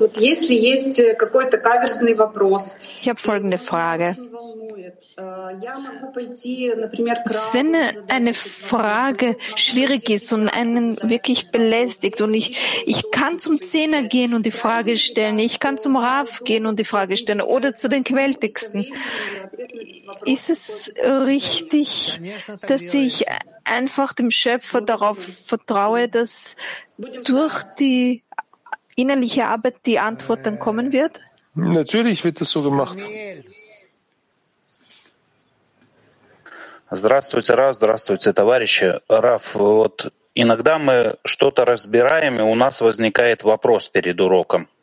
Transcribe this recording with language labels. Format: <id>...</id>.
<ru>Вот если есть какой-то каверзный вопрос, я</ru> <de>folgende Frage.</de> <ru>Я могу пойти, например, к Раву.</ru> <de>Wenn eine Frage schwierig ist und einen wirklich belästigt und ich kann zum Zehner gehen und die Frage stellen, ich kann zum Rav gehen und die Frage stellen oder zu den Quältigsten. Ist es richtig, dass ich einfach dem Schöpfer darauf vertraue, dass durch die innerliche Arbeit die Antwort dann kommen wird? Natürlich wird das so gemacht.</de> <ru>Здравствуйте, Раф, здравствуйте, товарищи. Раф, вот иногда мы что-то разбираем, и у нас возникает вопрос перед уроком.</ru>